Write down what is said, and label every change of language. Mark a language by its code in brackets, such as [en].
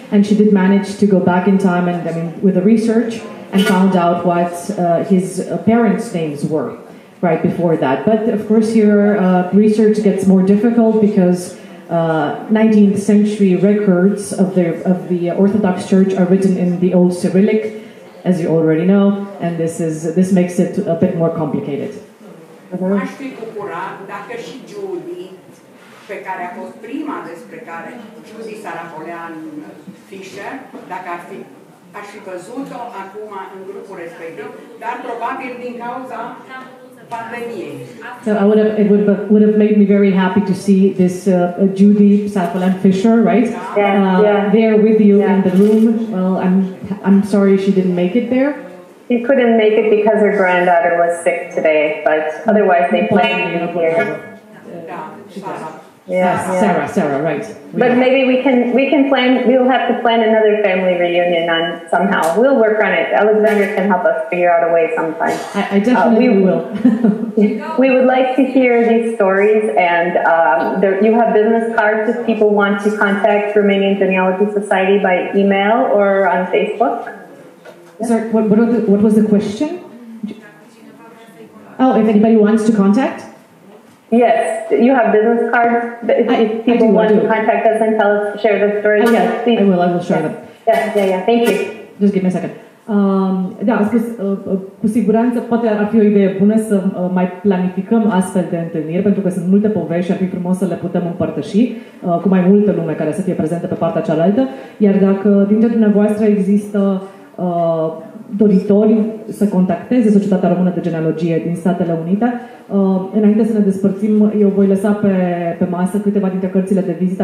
[en] And she did manage to go back in time and, I mean, with the research and found out what his parents' names were right before that. But of course here research gets more difficult because 19th century records of the Orthodox Church are written in the old Cyrillic, as you already know, and this makes it a bit more complicated. [ro] Aș fi bucurat dacă și Judy, pe care a fost prima despre care Judy Sarapolem Fisher, dacă aș fi văzut-o acum în grupul respectiv, dar probabil din cauza pandemie. [en] So I would have made me very happy to see this Judy Sarapolem Fisher, right? There with you in the room. Well, I'm sorry she didn't make it there. She couldn't make it because her granddaughter was sick today, but otherwise they planned to be here. Sarah, right. But maybe we can plan, we'll have to plan another family reunion on somehow. We'll work on it. Alexander can help us figure out a way sometime. I definitely will. We would like to hear these stories, and you have business cards if people want to contact Romanian Genealogy Society by email or on Facebook. Sorry, what was the question? Oh, if anybody wants to contact? Yes, you have business cards. If people want to contact us and tell us, share the story. Yes, please. I will share them. Thank you. Just give me a second. [ro] Da, a spus, cu siguranță poate ar fi o idee bună să mai planificăm astfel de întâlniri, pentru că sunt multe povești și ar fi frumos să le putem împărtăși cu mai multă lume care să fie prezentă pe partea cealaltă. Iar dacă dintre dumneavoastră există doritori să contacteze Societatea Română de Genealogie din Statele Unite, înainte să ne despărțim, eu voi lăsa pe masă câteva dintre cărțile de vizită.